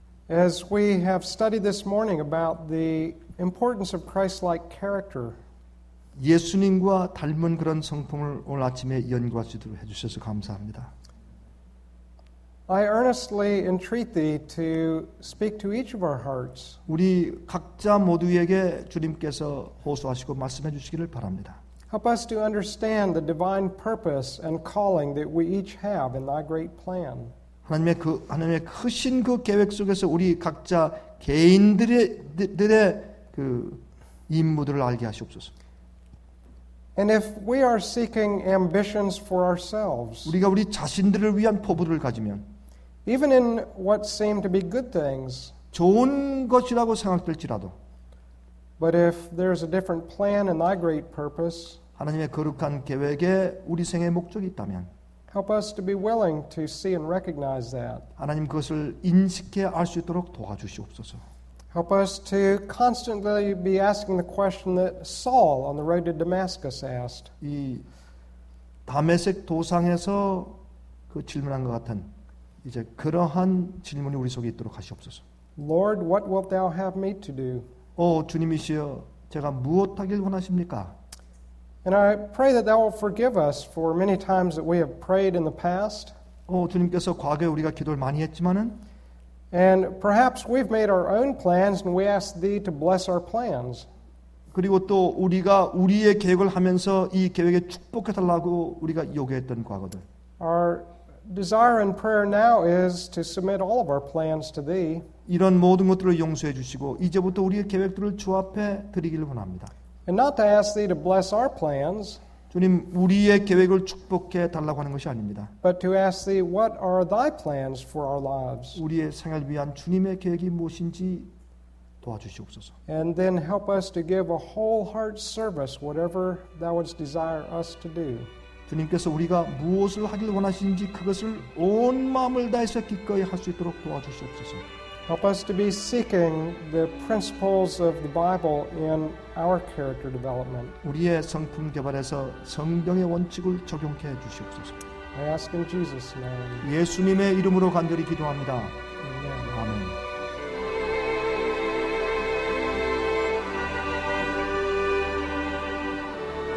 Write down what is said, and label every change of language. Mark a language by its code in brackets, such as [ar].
[en] As we have studied this morning about the importance of Christ-like character, [ko] 예수님과 닮은 그런 성품을 오늘 아침에 연구할 수 있도록 해주셔서 감사합니다. [en] I earnestly entreat thee to speak to each of our hearts. [ko] 우리 각자 모두에게 주님께서 호소하시고 말씀해 주시기를 바랍니다. [en] Help us to understand the divine purpose and calling that we each have in thy great plan. [ko] 하나님의 그 하나님의 크신 그 계획 속에서 우리 각자 개인들의 그 임무들을 알게 하시옵소서. [en] And if we are seeking ambitions for ourselves, [ko] 우리가 우리 자신들을 위한 포부를 가지면, [en] even in what seem to be good things, [ko] 좋은 것이라고 생각될지라도, [en] but if there is a different plan in thy great purpose, [ko] 하나님의 거룩한 계획에 우리 생의 목적이 있다면, [en] help us to be willing to see and recognize that. [ko] 하나님 그것을 인식해 알 수 있도록 도와주시옵소서. [en] Help us to constantly be asking the question that Saul on the road to Damascus asked. [ko] 이 다메섹 도상에서 그 질문한 것 같은 이제 그러한 질문이 우리 속에 있도록 하시옵소서. [en] Lord, what wilt thou have me to do? [ko] 오 주님이시여, 제가 무엇하길 원하십니까? [en] And I pray that thou wilt forgive us for many times that we have prayed in the past. [ko] 오 주님께서 과거에 우리가 기도를 많이 했지만은. [en] And perhaps we've made our own plans and we ask thee to bless our plans. [ko] 그리고 또 우리가 우리의 계획을 하면서 이 계획에 축복해 달라고 우리가 요구했던 과거들. [en] Our desire and prayer now is to submit all of our plans to thee. [ko] 이런 모든 것들을 용서해 주시고 이제부터 우리의 계획들을 주 앞에 드리기를 원합니다. [en] And not to ask thee to bless our plans. [ko] 주님 우리의 계획을 축복해 달라고 하는 것이 아닙니다. [en] But to ask thee, what are thy plans for our lives? [ko] 우리의 생활 위한 주님의 계획이 무엇인지 도와주시옵소서. [en] And then help us to give a whole heart service, whatever thou wouldst desire us to do. [ko] 주님께서 우리가 무엇을 하길 원하시는지 그것을 온 마음을 다해서 기꺼이 할 수 있도록 도와주시옵소서. [en] Help us to be seeking the principles of the Bible in our character development. [ko] 우리의 성품 개발에서 성경의 원칙을 적용해 주시옵소서. [en] I ask in Jesus' name. [ko] 예수님의 이름으로 간절히 기도합니다. 아멘. [en] Yeah.